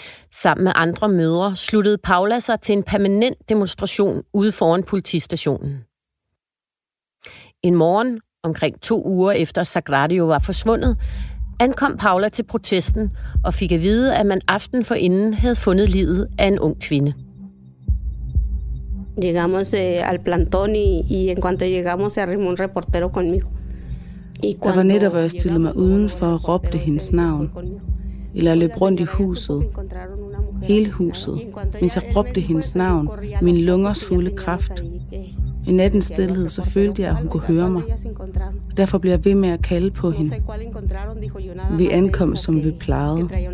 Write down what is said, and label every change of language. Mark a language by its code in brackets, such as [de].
[da] Sammen med andre mødre sluttede Paula sig til en permanent demonstration ude foran politistationen. En morgen, omkring 2 uger efter Sagrario var forsvundet, ankom Paula til protesten og fik at vide, at man aftenen forinden havde fundet livet af en ung kvinde. [es] Llegamos al plantón y en cuanto llegamos se arrimó un reportero conmigo. [da] Der var netop, hvor jeg stillede mig udenfor og råbte hendes navn. Eller løb rundt i huset. Hele huset. Mens jeg råbte hendes navn. Min lungers fulde kraft. I nattens stillhed, så følte jeg, at hun kunne høre mig. Derfor blev jeg ved med at kalde på hende. Vi ankom, som vi plejede.